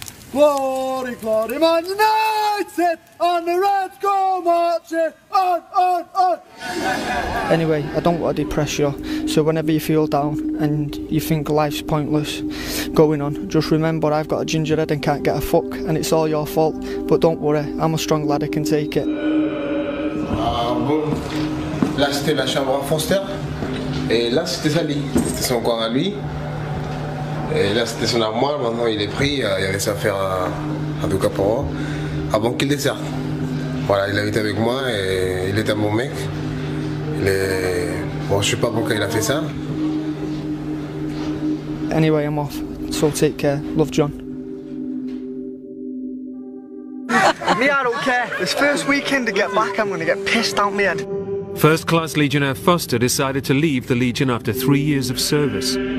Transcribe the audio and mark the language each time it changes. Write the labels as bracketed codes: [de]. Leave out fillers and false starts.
[en] Glory, glory, Man United! And the Reds go marching on! Anyway, I don't want to depress you, so whenever you feel down and you think life's pointless going on, just remember I've got a ginger head and can't get a fuck, and it's all your fault, but don't worry, I'm a strong lad, I can take it. [fr] Là c'était la chambre à Foster et là c'était Sally, c'était son corps à lui et là c'était son armoire, maintenant il est pris, il avait sa affaire à deux caporaux avant qu'il desserte. Voilà, il habitait avec moi et il était mon mec. Bon, je sais pas pourquoi il a fait ça. [en] Anyway, I'm off, so take care, love John. Me, I don't care, this first weekend to get back I'm gonna get pissed out my head. First Class Legionnaire Foster decided to leave the Legion after 3 years of service.